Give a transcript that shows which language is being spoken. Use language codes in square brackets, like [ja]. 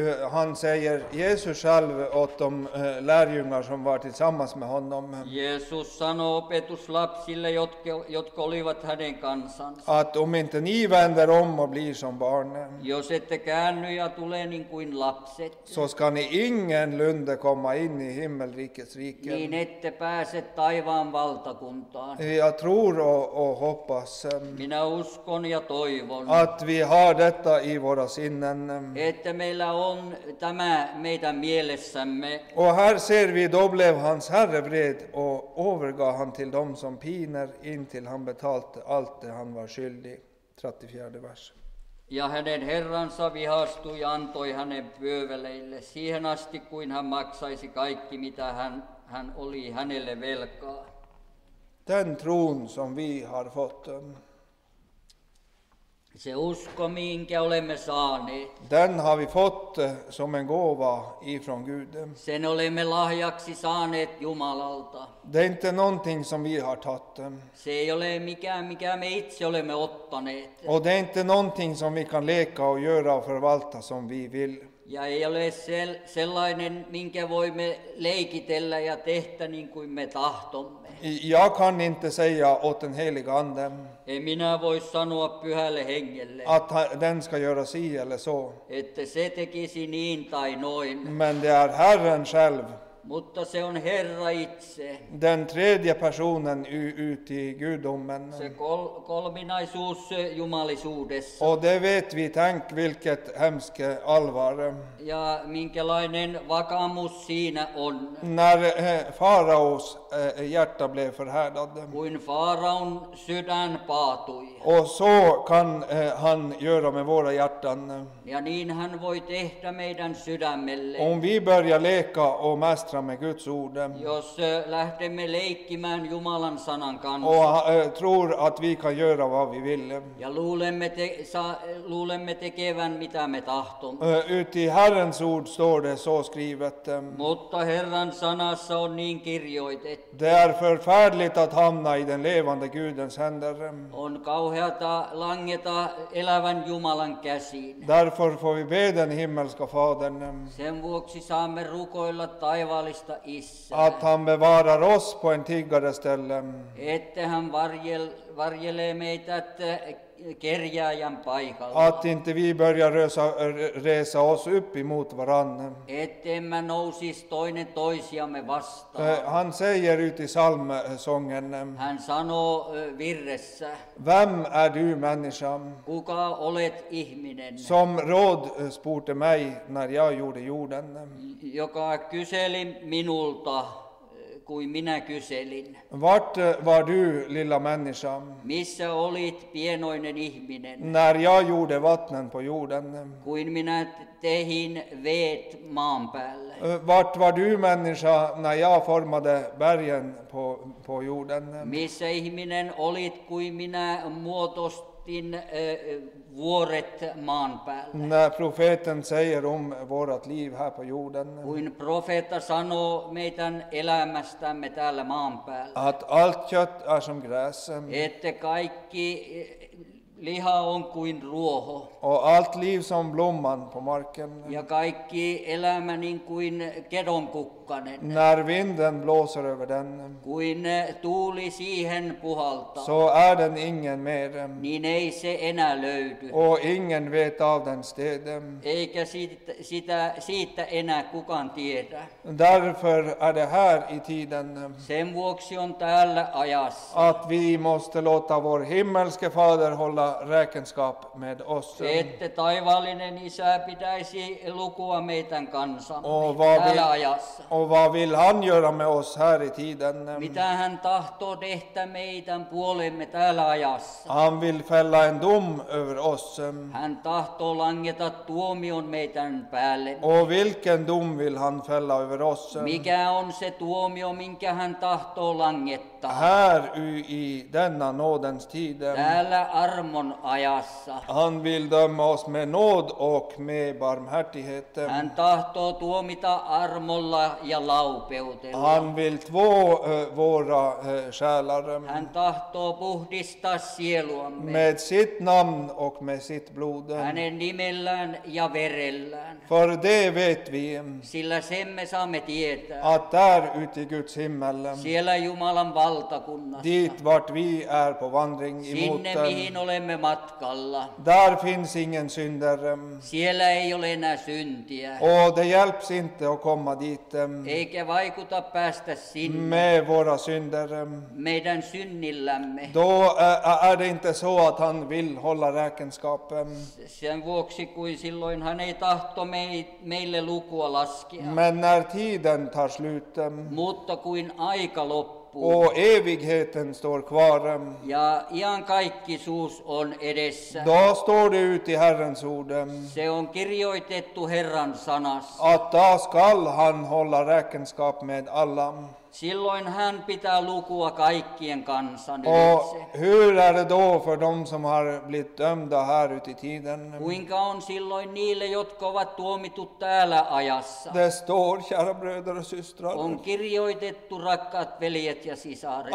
[sv] Han säger Jesus själv åt de lärjungar som var tillsammans med honom. [fi] Jesus sanoo opetuslapsille, jotka olivat hänen kansansa. [sv] Att om inte ni vänder om och blir som barn. [fi] Jos ette käänny ja tule niin kuin lapset. [sv] Så ska ni ingen lunde komma in i himmelrikets rike. [fi] Niin ette pääse taivaan valtakuntaan. [sv] Jag tror och hoppas. [fi] Minä uskon ja toivon. [sv] Att vi har detta i våra sinnen. [fi] Että meillä on tämä meidän mielessämme. [sv] Och här ser vi, då blev hans herre vred och övergav han till dem som piner in till han betalt allt det han var skyldig. 34 vers. [fi] Ja hänen herransa vihastui ja antoi hänen pyöveleille siihen asti, kuin hän maksaisi kaikki, mitä hän oli hänelle velkaa. [sv] Den tron som vi har fått. [fi] Se usko, minkä olemme saaneet. [sv] Den har vi fått som en gåva ifrån Gud. [fi] Sen olemme lahjaksi saaneet Jumalalta. [sv] Det är inte någonting som vi har tagit. [fi] Se ei ole mikään, mikä me itse olemme ottaneet. [sv] Och det är inte någonting som vi kan leka och göra och förvalta som vi vill. [fi] Ja ei ole sellainen, minkä voimme leikitellä ja tehdä niin kuin me tahtomme. [sv] Jag kan inte säga åt den heliga ande. [fi] En minä voi sanoa pyhälle hengelle. [sv] Att den ska göra si eller så. [fi] Että se tekisi niin tai noin. [sv] Men det är Herren själv. [fi] Mutta se on Herra itse. [sv] Den tredje personen ut i gudomen. [fi] Se kolminaisuus jumalisuudessa. [sv] Och det vet vi, tänk vilket hemskt allvar. [fi] Ja minkälainen vakamus siinä on. [sv] När faraos hjärta blev förhärdad. [fi] Kuin faraon sydän paatui. [sv] Och så kan han göra med våra hjärtan. [fi] Ja niin hän voi tehdä meidän sydämelle. [sv] Om vi börjar leka och mästra. Med Guds ord. [fi] Jos lähtemme leikkimään Jumalan sanan kanssa. [sv] Och tror att vi kan göra vad vi vill. [fi] Ja luulemme tekevän mitä me tahtomme. [sv] Ut i Herrens ord står det så skrivet. [fi] Mutta Herran sanassa on niin kirjoitettu. [sv] Det är förfärligt att hamna i den levande Gudens händer. [fi] On kauheata langeta elävän Jumalan käsiin. [sv] Därför får vi be den himmelska fadern. [fi] Sen vuoksi saamme rukoilla taivaan. [sv] Att han bevarar oss på en tiggare ställe. [fi] Että han varjelee meitä kerjääjän paikalla. [sv] Att inte vi börjar resa oss upp emot varandra. [fi] Ettemme nousis toinen toisiamme vastaan. [sv] Han säger ut i psalmsången. [fi] Hän sanoo virressä. [sv] Vem är du människa? [fi] Kuka olet ihminen? [sv] Som råd spurte mig när jag gjorde jorden. [fi] Joka kyseli minulta. Kuin minä kyselin. [sv] Vart var du, lilla människa? [fi] Missä olit, pienoinen ihminen? [sv] När jag gjorde vattnen på jorden. [fi] Kuin minä tehin vet maan päälle. [sv] Vart var du, människa, när jag formade bergen på jorden? [fi] Missä ihminen olit, kuin minä muotostin vuoret maan päälle. [sv] När profeten säger om vårat liv här på jorden. [fi] Kuin profeta sanoo meidän elämästämme täällä maan päällä. [sv] Att allt kött är som gräs. [fi] Että kaikki liha on kuin ruoho. [sv] Och allt liv som blomman på marken. [fi] Ja kaikki elämä niin kuin kedon kukkanen. [sv] När vinden blåser över den. [fi] Kuin tuuli siihen puhaltaa. [sv] Så är den ingen mer. [fi] Niin ei se enää löydy. [sv] Och ingen vet av den steden. [fi] Eikä siitä enää kukaan tiedä. [sv] Därför är det här i tiden. [fi] Sen vuoksi on täällä ajassa. [sv] Att vi måste låta vår himmelske fader hålla räkenskap med oss. [fi] Että taivaallinen isä pitäisi lukua meidän kansamme täällä ajassa. [sv] Och vad vill han göra med oss här i tiden? [fi] Mitä hän tahtoo tehdä meidän puolemme täällä ajassa? [sv] Han vill fälla en dom över oss. [fi] Hän tahtoo langeta tuomion meidän päälle. [sv] Och vilken dom vill han fälla över oss? [fi] Mikä on se tuomio, minkä hän tahtoo langetta? [sv] Här i denna nådens tid. [fi] Täällä armon ajassa. [sv] Han vill döma oss med nåd och med barmhärtighet. [fi] Hän tahtoo tuomita armolla ja laupeutella. [sv] Han vill två våra själar. [fi] Hän tahtoo puhdistaa sieluamme. [sv] Med sitt namn och med sitt blod. [fi] Hänen nimellään ja verellään. [sv] För det vet vi. [fi] Sillä sen me saamme tietää. [sv] Att där ute i Guds himmel. [fi] Siellä Jumalan valtakunnassa. [sv] Dit vart vi är på vandring emot. [fi] Sinne mihin olemme matkalla. [sv] Där finns ingen syndare. [fi] Siellä ei ole enää syntiä. [sv] Och det hjälps inte att komma dit. [fi] Eikä vaikuta päästä sinne. [sv] Med våra synder. [fi] Meidän synnillämme. [sv] Då är det inte så att han vill hålla räkenskapen. [fi] Sen vuoksi kuin silloin hän ei tahto meille lukua laskea. [sv] Men när tiden tar slut. [fi] Mutta kuin aika loppuu. loppuun. [sv] Och evigheten står kvar. [fi] Ja iankaikkisuus on edessä. [sv] Då står det ut i Herrens ord. [fi] Se on kirjoitettu Herran sanassa. [sv] Att då skall han hålla räkenskap med alla. [fi] Silloin hän pitää lukua kaikkien kansan ylitse. [sv] Och hur är det då för dem som har blivit dömda här ute i tiden? [fi] Kuinka on silloin niille, jotka ovat tuomitut täällä ajassa? [sv] Det står, kära bröder och systrar. [fi] On kirjoitettu, rakkaat veljet ja sisaret.